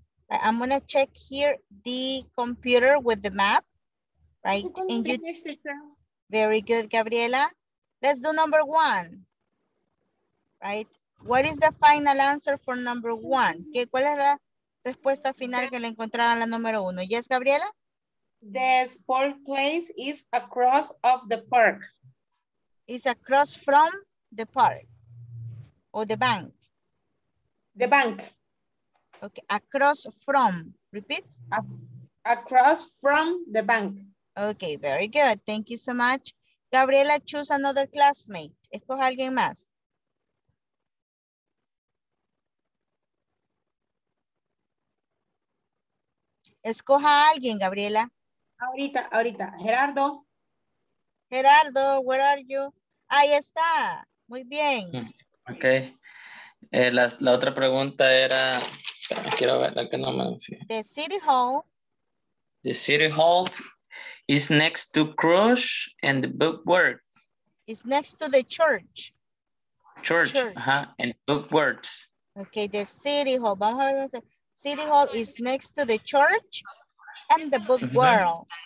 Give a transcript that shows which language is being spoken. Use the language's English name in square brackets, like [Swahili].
[English] I'm gonna check here the computer with the map, right? In you. Very good, Gabriela. Let's do number one, right? What is the final answer for number one? [Spanish] ¿Qué, cuál es la respuesta final que le encontraron a la número uno? [English] Yes, Gabriela? The sport place is across of the park. Is across from the park or the bank? The bank. Okay, across from, repeat. Across from the bank. Okay, very good. Thank you so much. Gabriela, choose another classmate. [Spanish] Escoja alguien más. Escoja alguien, Gabriela. Ahorita, ahorita. Gerardo. Gerardo, [English] where are you? [Spanish] Ahí está. Muy bien. Ok. La otra pregunta era, quiero ver la que no me fijé. [English] The City Hall. The City Hall is next to Crush and the Bookworm. It's next to the church. Church. Uh-huh. And Bookworm. Ok, the City Hall. [Spanish] Vamos a ver. [English] City Hall is next to the church and the Bookworm.